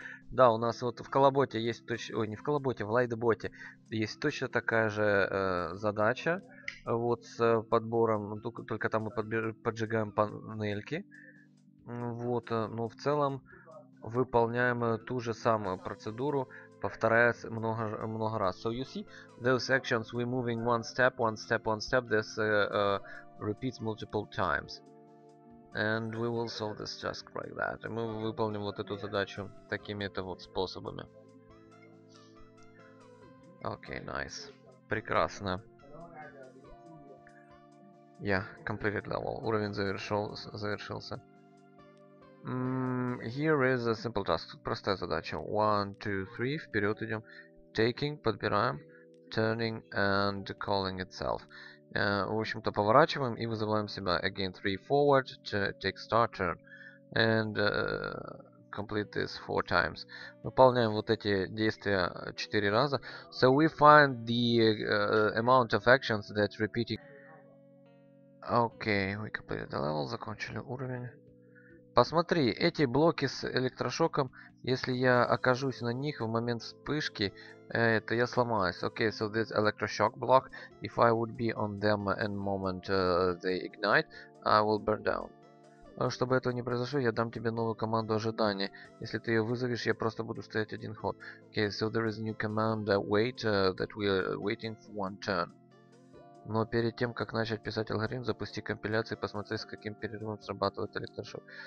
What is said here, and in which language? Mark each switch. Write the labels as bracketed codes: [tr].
[ru] Да, у нас вот в колоботе есть точно, ой, не в колоботе, в лайтботе есть точно такая же задача. Вот с подбором, только там мы поджигаем панельки. Вот, но в целом выполняем ту же самую процедуру, повторяясь много раз. [en] So you see, those actions we're moving one step. This repeats multiple times. And we will solve this task like that. [ru] И мы выполним вот эту задачу такими-то вот способами. [en] Okay, nice. [ru] Прекрасно. [en] Yeah, completed level. [ru] Уровень завершился. [en] Here is a simple task. [ru] Простая задача. [en] 1, 2, 3. [ru] Вперед идем. [en] Taking, [ru] подбираем. [en] Turning and calling itself. [ru] В общем-то, поворачиваем и вызываем себя. [en] Again, 3, forward, take start, turn. And complete this 4 times. [ru] Выполняем вот эти действия 4 раза. [en] So we find the amount of actions that repeating. Okay, we completed the level. [ru] Закончили уровень. Посмотри, эти блоки с электрошоком, если я окажусь на них в момент вспышки, то я сломаюсь. [en] Okay, so this electroshock block, if I would be on them in moment they ignite, I will burn down. [ru] Чтобы этого не произошло, я дам тебе новую команду ожидания. Если ты ее вызовешь, я просто буду стоять один ход. [en] Okay, so there is a new command wait that we are waiting for one turn. [ru] Но перед тем, как начать писать алгоритм, запусти компиляцию и посмотри, с каким перерывом срабатывает электрошок.